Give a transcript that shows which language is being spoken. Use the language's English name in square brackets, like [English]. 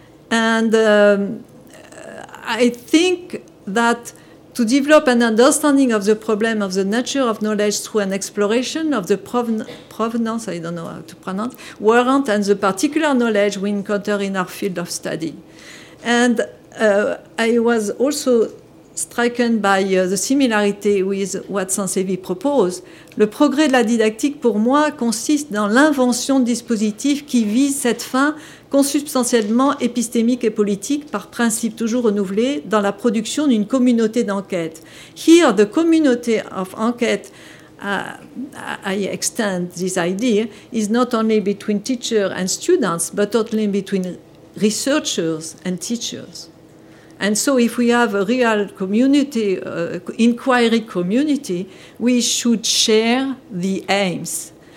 [English] And I think that to develop an understanding of the problem of the nature of knowledge through an exploration of the provenance, I don't know how to pronounce, warrant and the particular knowledge we encounter in our field of study. And I was also stricken by the similarity with what Sansevier propose. [French] Le progrès de la didactique, pour moi, consiste dans l'invention de dispositifs qui visent cette fin consubstantiellement épistémique et politique, par principe toujours renouvelé, dans la production d'une communauté d'enquête. [English] Here, the community of enquête, I extend this idea, is not only between teachers and students, but only between researchers and teachers. And so if we have a real community, inquiry community, we should share the aims.